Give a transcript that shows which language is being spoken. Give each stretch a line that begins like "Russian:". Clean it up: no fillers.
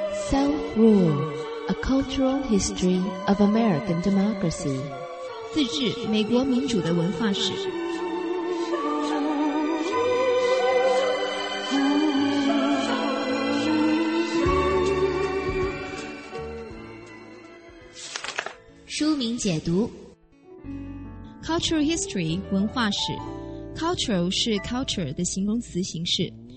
English: Self-rule, a cultural history of American democracy.
Chinese: 自治，美国民主的文化史。书名解读
English: Cultural history,
Chinese: 文化史。 Cultural 是 culture 的形容词形式。